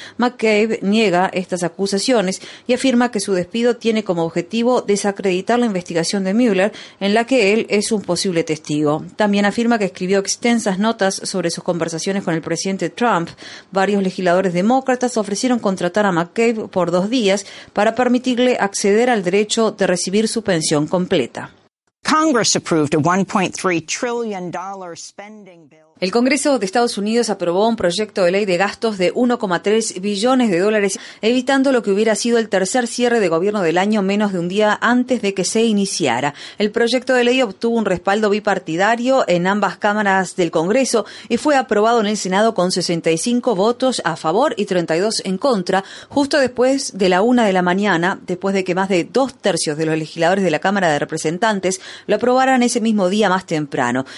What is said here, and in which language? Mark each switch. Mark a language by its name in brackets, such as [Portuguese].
[Spanish] McCabe niega estas acusaciones y afirma que su despido tiene como objetivo desacreditar la investigación de Mueller, en la que él es un posible testigo. También afirma que escribió extensas notas sobre sus conversaciones con el presidente Trump. Varios legisladores demócratas ofrecieron contratar a McCabe por 2 días para permitirle acceder al derecho de recibir su pensión completa. [English] Congress approved a $1.3 trillion spending bill. [Spanish] El Congreso de Estados Unidos aprobó un proyecto de ley de gastos de $1.3 billones, evitando lo que hubiera sido el tercer cierre de gobierno del año menos de un día antes de que se iniciara. El proyecto de ley obtuvo un respaldo bipartidario en ambas cámaras del Congreso y fue aprobado en el Senado con 65 votos a favor y 32 en contra, justo después de la 1:00 a.m, después de que más de 2/3 de los legisladores de la Cámara de Representantes lo aprobaran ese mismo día más temprano.